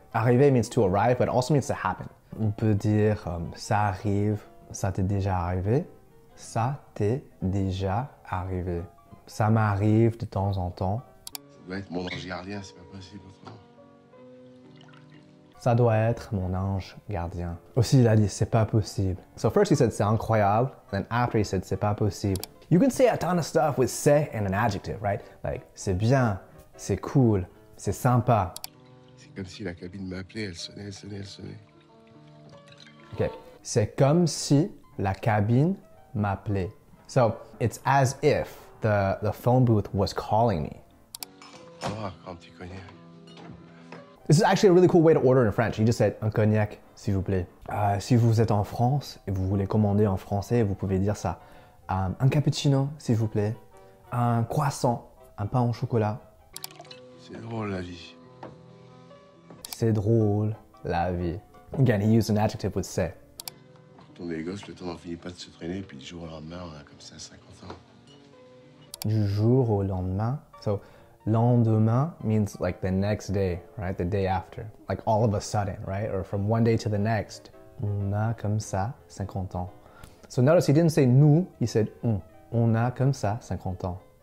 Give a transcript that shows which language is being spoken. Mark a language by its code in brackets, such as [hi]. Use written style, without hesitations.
[en] Arriver means to arrive, but also means to happen. [fr] On peut dire ça arrive, ça t'est déjà arrivé. Ça t'est déjà arrivé. Ça m'arrive de temps en temps. Ça doit être mon ange gardien, c'est pas possible. Ça doit être mon ange gardien. Aussi, il a dit c'est pas possible. [en] So first he said [fr] c'est incroyable, [en] then after he said [fr] c'est pas possible. [en] You can say a ton of stuff with c'est and an adjective, right? Like, [fr] c'est bien, c'est cool, c'est sympa. C'est comme si la cabine m'appelait, elle sonnait, elle sonnait, elle sonnait. Ok. C'est comme si la cabine m'appelait. [en] So, it's as if the phone booth was calling me. [fr] Oh, comme tu connais. [en] This is actually a really cool way to order in French. You just said [fr] un cognac, s'il vous plaît. Si vous êtes en France et vous voulez commander en français, vous pouvez dire ça. Un cappuccino, s'il vous plaît. Un croissant. Un pain au chocolat. C'est drôle, la vie. C'est drôle, la vie. [en] Again, he used an adjective with c'est. [fr] Quand on est gosse, le temps n'en finit pas de se traîner, puis du jour au lendemain, on a comme ça 50 ans. Du jour au lendemain. [en] So, lendemain means like the next day, right? The day after. Like all of a sudden, right? Or from one day to the next. [fr] On a comme ça 50 ans. [en] So notice he didn't say nous, he said on. [fr] On a comme ça 50 ans.